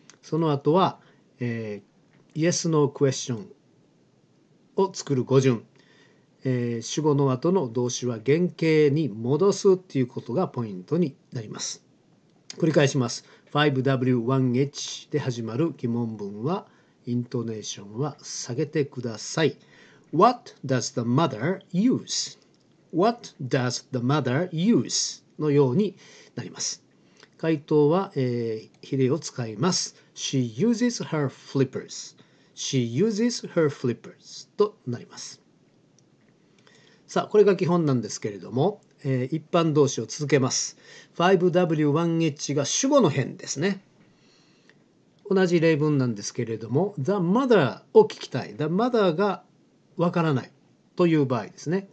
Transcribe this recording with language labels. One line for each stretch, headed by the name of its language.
Japanese: その後は、yes no question を作る語順。主語の後の動詞は原形に戻すっていうことがポイントになります。繰り返します。 5W1H で始まる疑問文は、イントネーションは下げてください。
English: What does the mother use?What does the mother use?
Japanese: のようになります。回答は、比例を使います。
English: She uses her flippers.She uses her flippers
Japanese: となります。さあ、これが基本なんですけれども、一般動詞を続けます。5W1H が主語の編ですね。同じ例文なんですけれども、 the mother を聞きたい、 the mother がわからないという場合ですね。